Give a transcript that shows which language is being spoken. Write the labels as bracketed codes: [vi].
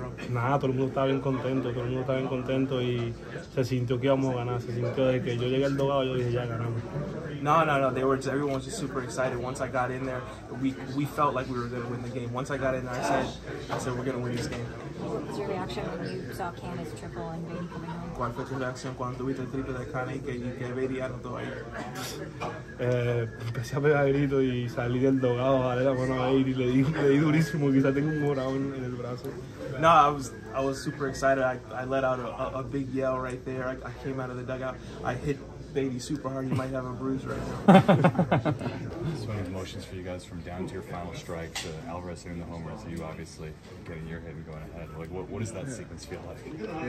[es] Nada, todo el mundo estaba bien contento, todo el mundo estaba bien contento y se sintió que íbamos a ganar, se sintió de que yo llegué al dugout, yo dije ya ganamos. [en] No, everyone was just super excited. Once I got in there, we felt like we were going to win the game. Once I got in there, I said we're going to win this game. What was your reaction when you saw Canha's triple and Vady coming home? [es] ¿Cuál fue tu reacción cuando tuviste el triple de Canha y que Vady anotó ahí? Empecé a pegar grito y salí del dogado, jalé la mano a Vady y le di durísimo, quizá tengo un morado en el brazo. [en] No, I was super excited. I let out a big yell right there. I came out of the dugout. I hit Vady super hard. He might have a bruise right now. Swing of motions for you guys from down to your final strike to Alvarez hitting the home run. So you obviously getting your hit and going ahead. Like, what does that sequence feel like?